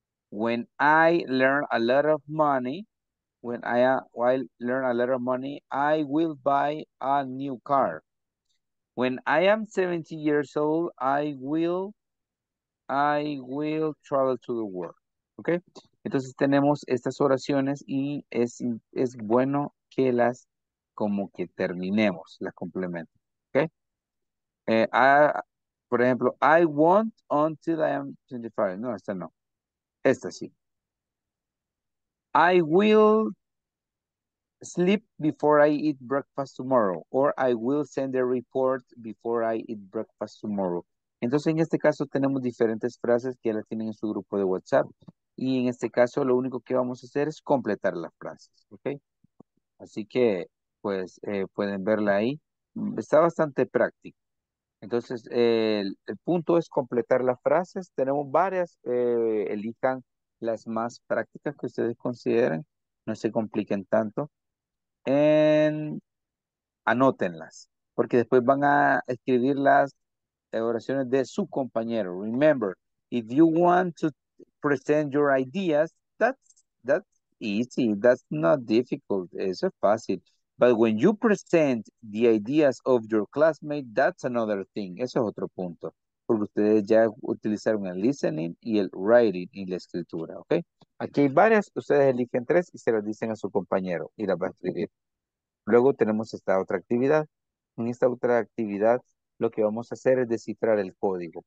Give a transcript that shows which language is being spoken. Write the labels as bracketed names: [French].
[English] When I learn a lot of money, I will buy a new car. When I am 70 years old, I will travel to the world. Okay. [Spanish] Entonces tenemos estas oraciones y es bueno que las como que terminemos, las complemento. [English] Okay. [Spanish] Por ejemplo, [English] I won't until I am 25. [Spanish] No, esta no. Esta sí. [English] I will sleep before I eat breakfast tomorrow. Or I will send a report before I eat breakfast tomorrow. [Spanish] Entonces, en este caso, tenemos diferentes frases que ya las tienen en su grupo de WhatsApp. Y en este caso, lo único que vamos a hacer es completar las frases. Okay. Así que, pues, pueden verla ahí. Está bastante práctico. Entonces, el punto es completar las frases. Tenemos varias. Elijan las más prácticas que ustedes consideren. No se compliquen tanto. Anótenlas. Porque después van a escribir las oraciones de su compañero. [English] Remember, if you want to present your ideas, that's easy. That's not difficult. [Spanish] Eso es fácil. [English] But when you present the ideas of your classmate, that's another thing. [Spanish] Eso es otro punto. Porque ustedes ya utilizaron el listening y el writing y la escritura, ¿ok? Aquí hay varias. Ustedes eligen tres y se las dicen a su compañero y las va a escribir. Luego tenemos esta otra actividad. En esta otra actividad, lo que vamos a hacer es descifrar el código.